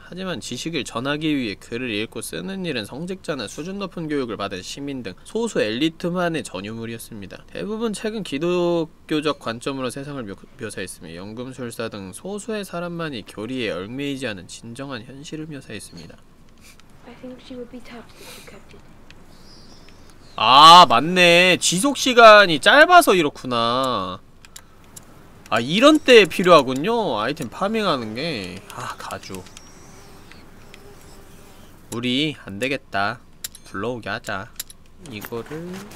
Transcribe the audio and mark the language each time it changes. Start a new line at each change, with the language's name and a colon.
Korean: 하지만 지식을 전하기 위해 글을 읽고 쓰는 일은 성직자나 수준 높은 교육을 받은 시민 등 소수 엘리트만의 전유물이었습니다. 대부분 책은 기독교적 관점으로 세상을 묘사했으며 연금술사 등 소수의 사람만이 교리에 얽매이지 않은 진정한 현실을 묘사했습니다.
English: I think she would be tough if you kept it.
Korean: 아, 맞네. 지속 시간이 짧아서 이렇구나. 아, 이런 때에 필요하군요. 아이템 파밍하는 게. 아, 가죽. 우리, 안 되겠다. 불러오게 하자. 이거를.